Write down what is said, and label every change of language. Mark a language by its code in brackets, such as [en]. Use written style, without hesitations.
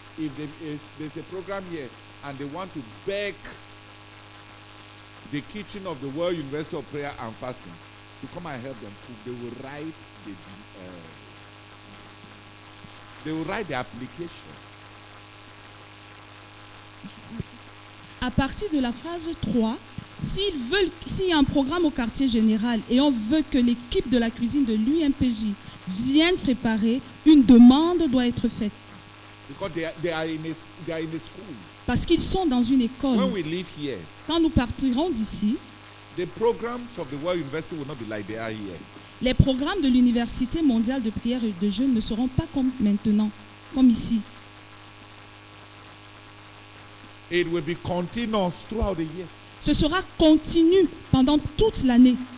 [en] If there's a program here and they want to beg the kitchen of the World University of Prayer and Fasting to come and help them, they will write the application. [fr] À partir de la phase 3, s'ils veulent, s'il y a un programme au quartier général et on veut que l'équipe de la cuisine de l'UMPJ vienne préparer, une demande doit être faite. [en] Because they are in a school. [fr] Parce qu'ils sont dans une école. [en] When we leave here, [fr] quand nous partirons d'ici, [en] the programs of the World University will not be like they are here. [fr] Les programmes de l'Université mondiale de prière et de jeûne ne seront pas comme maintenant, comme ici. [en] It will be continuous throughout the year. [fr] Ce sera continu pendant toute l'année.